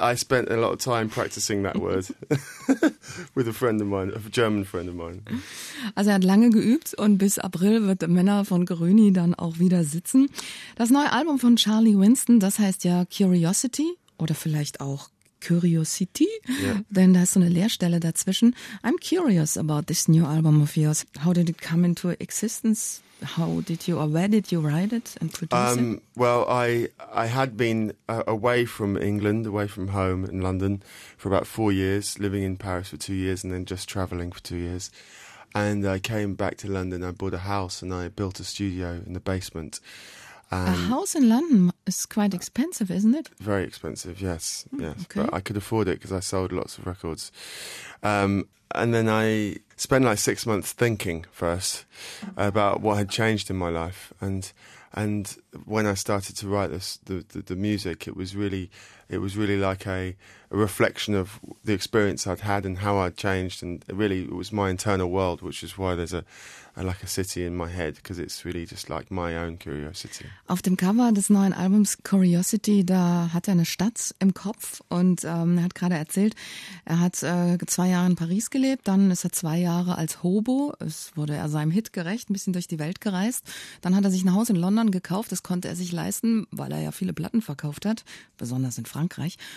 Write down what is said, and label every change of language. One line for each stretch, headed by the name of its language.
English: I spent a lot of time practicing that word with a friend of mine, a German friend of mine.
German: Also er hat lange geübt und bis April wird Männer von Grüni dann auch wieder sitzen. Das neue Album von Charlie Winston, das heißt ja Curiosity oder vielleicht auch Curiosity,
English: yeah.
German: Denn da ist so eine Leerstelle dazwischen.
English: I'm curious about this new album of yours. How did it come into existence? How did you, or where did you write it and produce it? Well, I had been away from England, away from home in London for about 4 years, living in Paris for 2 years and then just traveling for 2 years. And I came back to London, I bought a house and I built a studio in the basement. A house in London is quite expensive, isn't it? Very expensive, yes. Yes. Okay. But I could afford it because I sold lots of records. And then I spent like 6 months thinking first about what had changed in my life. And when I started to write this, the music, it was really like a reflection of the experience I'd had and how I'd changed. And really, it was my internal world, which is why there's a city in my head, because it's really just like my own curiosity.
German: Auf dem Cover des neuen Albums Curiosity, da hat er eine Stadt im Kopf und er hat gerade erzählt, er hat 2 Jahre in Paris gelebt, dann ist er 2 Jahre als Hobo, es wurde er seinem Hit gerecht, ein bisschen durch die Welt gereist. Dann hat er sich ein Haus in London gekauft, das konnte er sich leisten, weil er ja viele Platten verkauft hat, besonders in Frankreich.